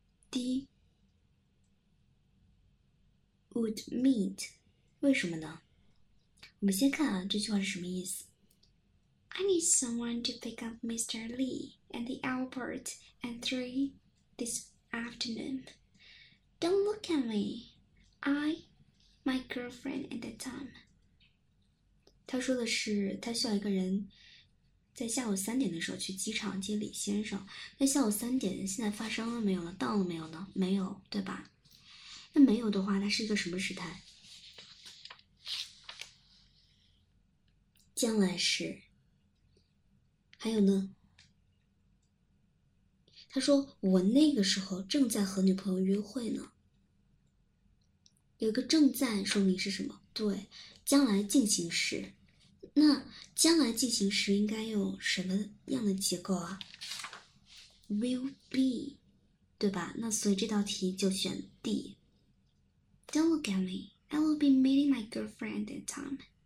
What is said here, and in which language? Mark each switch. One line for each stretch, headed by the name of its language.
English: D would meet，
Chinese: 为什么呢？我们先看啊，这句话是什么意思
English: ？I need someone to pick up Mr. Lee at the airport at 3 this afternoon. Don't look at me. I, my girlfriend at that time.
Chinese: 他说的是他需要一个人。在下午3点的时候去机场接李先生。那下午3点现在发生了没有呢？到了没有呢？没有，对吧？那没有的话，它是一个什么时态？将来时。还有呢？他说我那个时候正在和女朋友约会呢。有一个正在说明是什么？对，将来进行时。那将来进行时应该有什么样的结构啊 ？Will be， 对吧？那所以这道题就选 D。
English: Don't look at me. I will be meeting my girlfriend at that time.